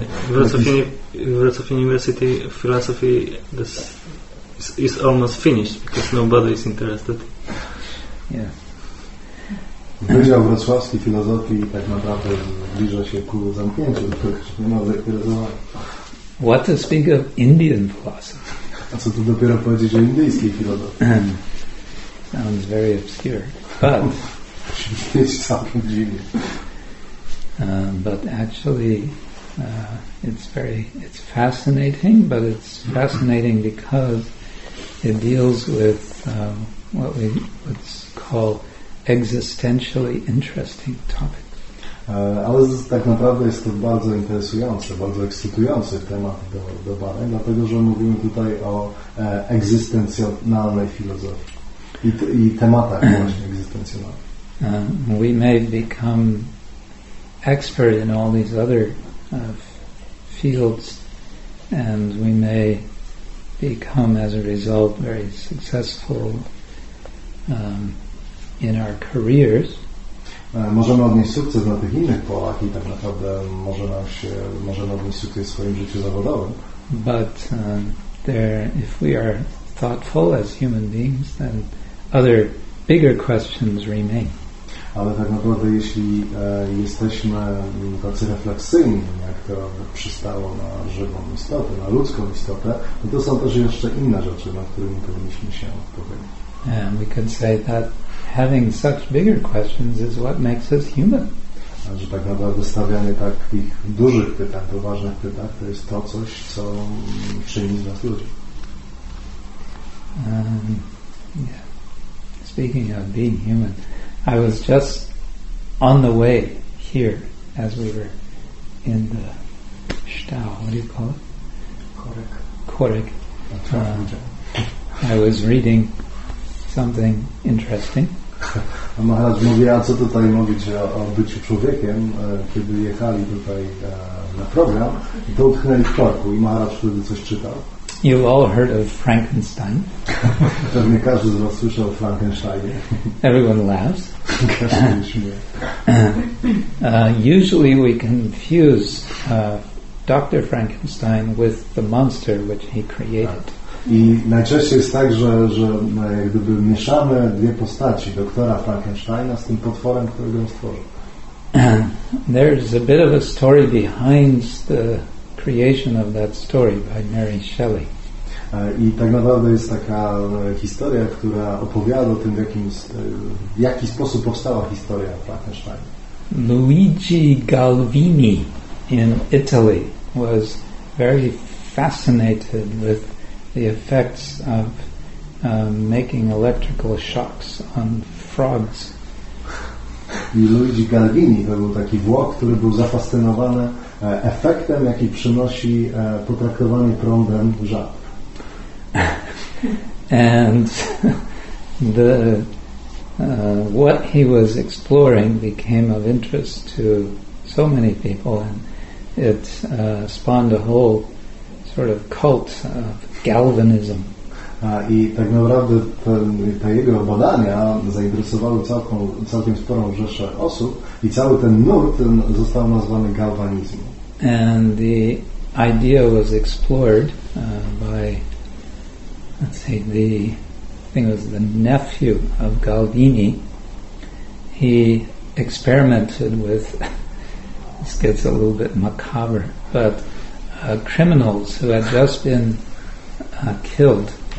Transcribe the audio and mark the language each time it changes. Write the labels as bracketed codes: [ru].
[en] Wrocław University philosophy is almost finished because nobody is interested. Yeah. [pl] Wydział wrocławski filozofii tak naprawdę zbliża się ku zamknięciu, tylko nie ma zainteresowań. [en] What to speak of Indian philosophy? [pl] A co tu dopiero powiedzieć o indyjskiej filozofii? [en] Sounds very obscure. But it's talking genius. But actually, it's fascinating. But it's fascinating because it deals with what we would call existentially interesting topics. [pl] Ale tak naprawdę jest to bardzo interesujące, bardzo ekscytujący temat do badań, dlatego że mówimy tutaj o egzystencjonalnej filozofii. I tematach właśnie egzystencjonalnych. [en] We may become expert in all these other fields and we may become as a result very successful in our careers. [pl] Możemy odnieść sukces na tych innych polach i tak naprawdę możemy odnieść sukces w swoim życiu zawodowym. [en] But if we are thoughtful as human beings, then other bigger questions remain. [pl] Ale tak naprawdę, jeśli jesteśmy tacy refleksyjni, jak to przystało na żywą istotę, na ludzką istotę, to są też jeszcze inne rzeczy, na którymi powinniśmy się pochylić. [en] And we could say that having such bigger questions is what makes us human. [pl] A że tak naprawdę stawianie takich dużych pytań, poważnych pytań, to jest to coś, co czyni z nas ludzi. [en] Speaking of being human, I was just on the way here as we were in the Stau. What do you call it? [pl] Korek. [en] I was reading something interesting. [pl] Maharaj mówi, a co tutaj mówić o byciu człowiekiem, kiedy jechali tutaj na program, to utknęli w korku i Maharaj wtedy coś czytał. [en] You've all heard of Frankenstein. [pl] Pewnie każdy z was słyszał o Frankensteinie. [en] Everyone laughs. [pl] Każdy śmieje. [en] Usually we confuse Dr. Frankenstein with the monster which he created. [pl] I najczęściej jest tak, że jak gdyby mieszamy dwie postaci, doktora Frankensteina z tym potworem, którego on stworzył. [en] There's a bit of a story behind the creation of that story by Mary Shelley. [pl] I tak naprawdę jest taka historia, która opowiada o tym, w jaki sposób powstała historia Frankensteina. [en] Luigi Galvini in Italy was very fascinated with the effects of making electrical shocks on frogs. [pl] I Luigi Galvini to był taki Włoch, który był zafascynowany efektem, jaki przynosi potraktowanie prądem żab. [en] And the what he was exploring became of interest to so many people, and it spawned a whole sort of cult of galvanism. [pl] I tak naprawdę te jego badania zainteresowały całkiem sporą rzeszę osób i cały ten nurt został nazwany galwanizm. [en] And the idea was explored by, let's say, the, I think it was the nephew of Galvini. He experimented with, this gets a little bit macabre, but criminals who had just been killed.